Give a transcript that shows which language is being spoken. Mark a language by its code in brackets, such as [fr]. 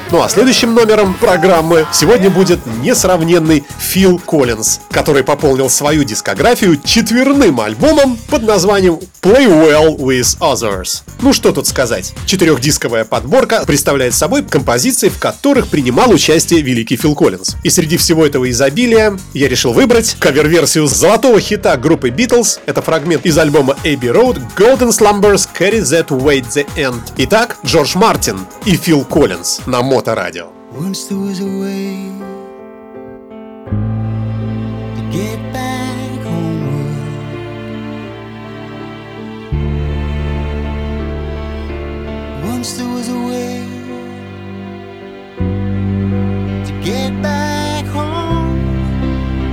[ru] Ну а следующим номером программы сегодня будет несравненный Фил Коллинз, который пополнил свою дискографию четверным альбомом под названием Play Well With Others. Ну что тут сказать. Четырехдисковая подборка представляет собой композиции, в которых принимал участие великий Фил Коллинз. И среди всего этого изобилия я решил выбрать кавер-версию золотого хита группы Beatles. Это фрагмент из альбома Abbey Road Golden Slumbers Carry That Weight The End. Итак, Джордж Мартин и Фил Коллинз на Моторадио. [en] Once there was a way to get back home. Once there was a way to get back home.